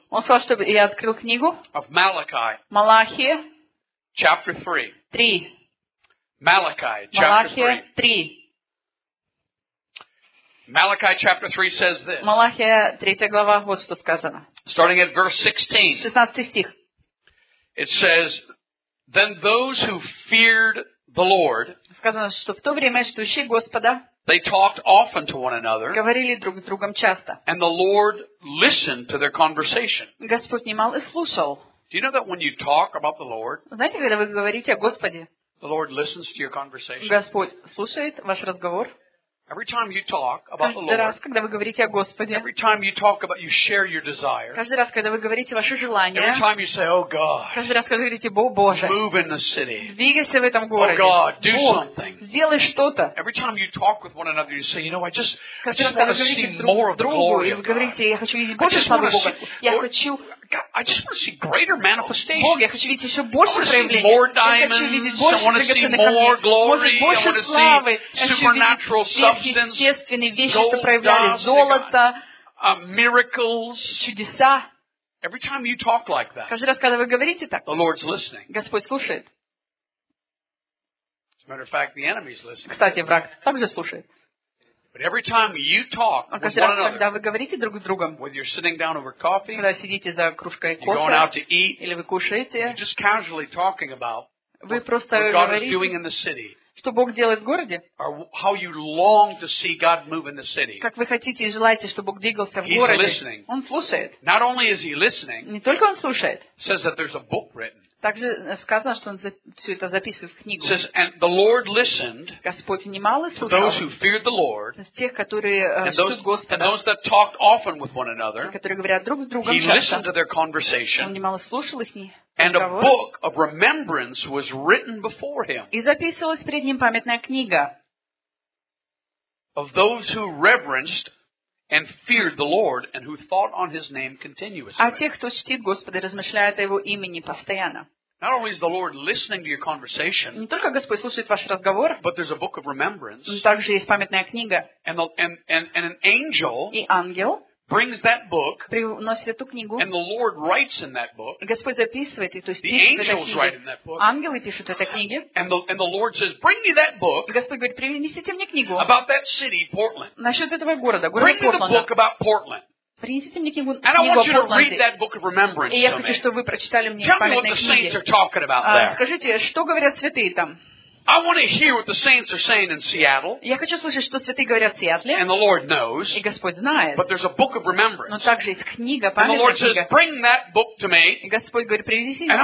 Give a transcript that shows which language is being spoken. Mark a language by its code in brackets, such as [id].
[ru] он сказал, чтобы я открыл книгу [en] of Malachi, [ru] Малахия, [en] chapter 3. [ru] 3. [en] Malachi, chapter [ru] Малахия, 3. [en] Malachi chapter 3 says this. [ru] Малахия 3 глава вот что сказано. [en] Starting at verse 16. [ru] 16 стих. [en] It says, then those who feared the Lord, [ru] сказано, что в то время ждущие Господа, [en] they talked often to one another, [ru] говорили друг с другом часто. [en] And the Lord listened to their conversation. [ru] Господь внимал и слушал. [en] Do you know that when you talk about the Lord, [ru] знаете, когда вы говорите о Господе, [en] the Lord listens to your conversation. [ru] Господь слушает ваш разговор. [en] Every time you talk about the Lord, [ru] каждый раз, когда вы говорите о Господе, [en] every time you talk about, you share your desire, [ru] каждый раз, когда вы говорите ваше желание, [en] every time you say, oh God, [ru] каждый раз, когда вы говорите, о Боже, [en] move in the city, [ru] двигайся в этом городе, [en] oh God, do [ru] Бог, [en] something, [ru] сделай что-то, [en] every time you talk with one another, you say, you know, I just, [ru] каждый раз, когда вы говорите [en] more of the glory of God, [ru] я хочу видеть больше славы Бога, я хочу [en] God, I just want to see greater manifestations. [ru] Бог, я хочу видеть еще больше проявлений. [en] More diamonds. I want to see more glory. [ru] Больше славы. [en] Supernatural substance. [ru] Золото. [en] Miracles. [ru] Чудеса. [en] Every time you talk like that. [ru] Каждый раз, когда вы говорите так. [en] The Lord's listening. [ru] Господь слушает. [en] As a matter of fact, the enemy's listening. [ru] Кстати, враг также слушает. [en] But every time you talk with one another, [ru] когда вы говорите друг с другом, [en] whether you're sitting down over coffee, [ru] когда сидите за кружкой кофе, [en] you're going out to eat, [ru] или вы кушаете, [en] you're just casually talking about what God is doing in the city, [ru] что Бог делает в городе, [en] or how you long to see God move in the city, [ru] как вы хотите и желаете, чтобы Бог двигался в [en] He's [ru] городе, [en] listening. [ru] Он слушает. [en] Not only is he listening, [ru] не только он слушает, [en] says that there's a book written. [ru] Также сказано, что он все это записывает в книгу. [en] Says, and the Lord listened, [ru] Господь внимал и слушал [en] those who feared the Lord, [ru] тех, которые ждут Господа, [en] and those that talked often with one another, [ru] тех, которые говорят друг с другом, [en] he listened to their conversation, [ru] он внимал и слушал их. [en] And a book of remembrance was written before him. [ru] И записывалась перед ним памятная книга. [en] of those who reverenced and feared the Lord and who thought on his name continuously. [ru] А тех, кто чтит Господа и размышляет о его имени постоянно. [en] Not only is the Lord listening to your conversation, [ru] не только Господь слушает ваш разговор, [en] but there's a book of remembrance. [ru] Также есть памятная книга. [en] And an angel [ru] и ангел [en] brings that book, [ru] приносит эту книгу, [en] and the Lord writes in that book. [ru] Господь записывает и то есть [en] the angels write in that book. [ru] Ангелы пишут эту книгу. [en] And the Lord says, "Bring me that book." [ru] Господь говорит, принесите мне книгу. [en] About that city, Portland. [ru] Насчет этого города, города [en] Портленда. Bring me the book about Portland. [ru] Принесите мне книгу, [en] and I want you to read that book of remembrance. [ru] И я хочу, чтобы вы прочитали мне памятные книги. [en] Tell me what the saints are talking about there. [ru] Скажите, что говорят святые там? [en] I want to hear what the saints are saying in Seattle. [ru] Я хочу слышать, что святые говорят в Сиэтле. [en] And the Lord knows. [ru] И Господь знает. [en] But there's a book of remembrance. [ru] Но также есть книга, памятная книга. [en] And the Lord says, bring that book to me. [ru] И Господь говорит, принеси мне эту книгу.